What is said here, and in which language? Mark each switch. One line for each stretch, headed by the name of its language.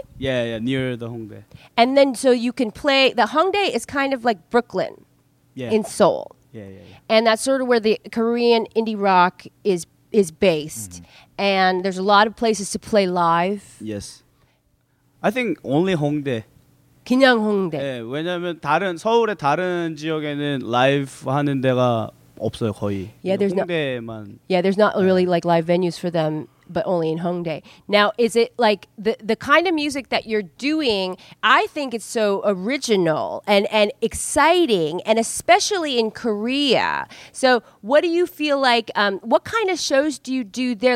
English: Yeah, yeah, near the Hongdae. And then so you can play. The Hongdae is kind of like Brooklyn, in Seoul. Yeah, yeah, yeah. And that's sort of where the Korean indie rock is based. Mm-hmm. And there's a lot of places to play live. Yes. I think only Hongdae.
Korean: 그냥 홍대. 네, 왜냐면 다른 서울의 다른 지역에는 라이브 하는 데가 없어요, 거의.
English: Yeah, there's
Korean: 홍대만.
English: Not, yeah, there's not really like live venues for them, but only in Hongdae. Now, is it like the kind of music that you're doing, I think it's so original and exciting, and especially in Korea. So what do you feel like, what kind of shows do you do there?